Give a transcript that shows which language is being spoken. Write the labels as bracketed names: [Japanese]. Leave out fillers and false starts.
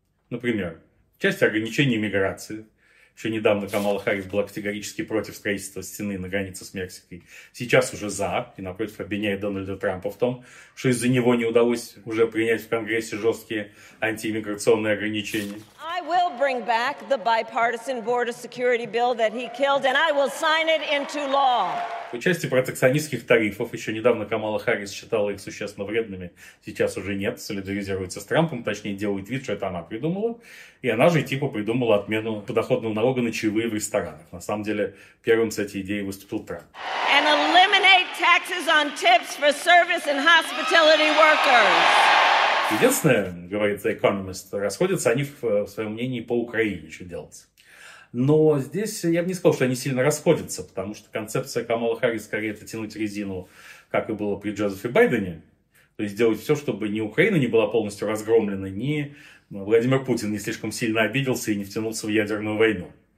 [Russian] Например, часть ограничений миграции. Еще недавно Камала Харрис была категорически против строительства стены на границе с Мексикой. Сейчас уже за, и напротив обвиняет Дональда Трампа в том, что из-за него не удалось уже принять в Конгрессе жесткие антииммиграционные ограничения. [English] I will bring back the bipartisan border security bill that he killed, and I will sign it into law. [Russian] В части протекционистских тарифов, еще недавно Камала Харрис считала их существенно вредными, сейчас уже нет, солидаризируется с Трампом, точнее делает вид, что это она придумала. И она же типа придумала отмену подоходного налога на чаевые в ресторанах. На самом деле первым с этой идеей выступил Трамп. [English] And eliminate taxes on tips for service and hospitality workers. [Russian] Единственное, говорит The Economist, расходятся они в своем мнении по Украине, что делать. Но здесь я бы не сказал, что они сильно расходятся, потому что концепция Камалы Харрис скорее это тянуть резину, как и было при Джозефе Байдене. То есть делать все, чтобы ни Украина не была полностью разгромлена, ни Владимир Путин не слишком сильно обиделся и не втянулся в ядерную войну.